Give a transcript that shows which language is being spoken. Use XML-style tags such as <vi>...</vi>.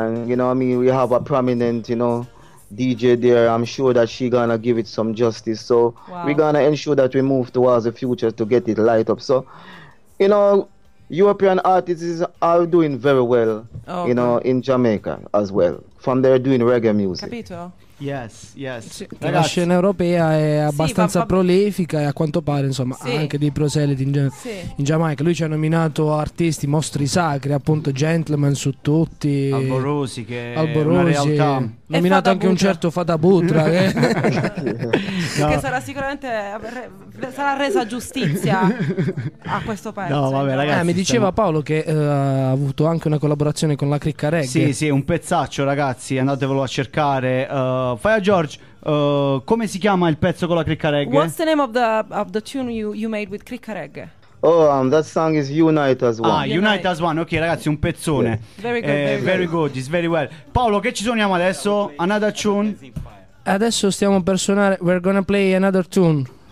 <en>And you know I mean, we have a prominent, you know, DJ there. I'm sure that she gonna give it some justice, so wow. We're gonna ensure that we move towards the future to get it light up. So you know, European artists are doing very well. Oh, you okay. Know in Jamaica as well, from there doing reggae music.</en> <it>Capito.</it> <en>Yes, yes.</en> <it>La scena europea è abbastanza prolifica e a quanto pare insomma sì. Anche dei proseliti in Giamaica. Lui ci ha nominato artisti, mostri sacri, appunto Gentleman su tutti, Alborosi, che Alborosi. È una realtà. Nominato Fata anche Butra. Un certo Fata Butra che no. Sarà sicuramente sarà resa giustizia a questo paese. No, vabbè, ragazzi, mi diceva Paolo che ha avuto anche una collaborazione con la Cricca Reggae. Sì, sì, un pezzaccio, ragazzi, andatevelo a cercare. Faya George, come si chiama il pezzo con la Cricca Reggae?</it> <en>What's the name of the tune you made with Cricca Reggae? Oh, that song is Unite As One.</en> <it>Ah, Unite As One, ok ragazzi, un pezzone.</it> <en>Yeah. Very good, very good. Good, it's very well.</en> <it>Paolo, che ci suoniamo adesso?</it> <en>Another tune? Adesso stiamo per suonare, we're gonna play another tune.</en>